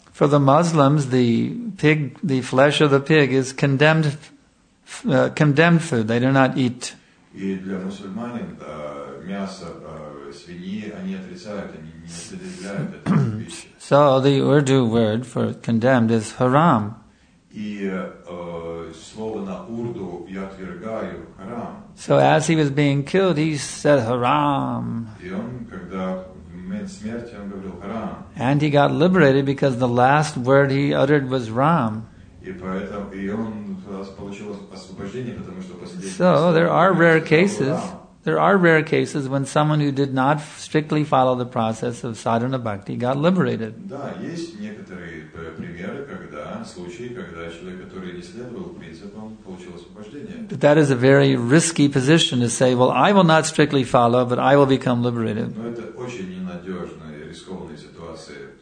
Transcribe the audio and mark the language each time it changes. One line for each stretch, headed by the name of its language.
English: For the Muslims, the pig, the flesh of the pig is condemned food. They do not eat.
Russian: И для мусульман мясо свиньи они отрицают, они не употребляют эту пищу.
English: So the Urdu word for condemned is haram.
Russian: И слово на урду я отвергаю харам.
English: So as he was being killed, he said haram.
Russian: И он, когда в момент смерти, он говорил харам.
English: And he got liberated because the last word he uttered was ram.
Russian: И поэтому и он получил освобождение, потому что последний.
English: So there are rare cases. There are rare cases when someone who did not strictly follow the process of sadhana bhakti got liberated.
Russian: Да, есть некоторые примеры, когда человек, который не следовал принципам, получил освобождение.
English: But that is a very risky position to say, well, I will not strictly follow, but I will become liberated.
Russian: Но это очень ненадежная, рискованная ситуация.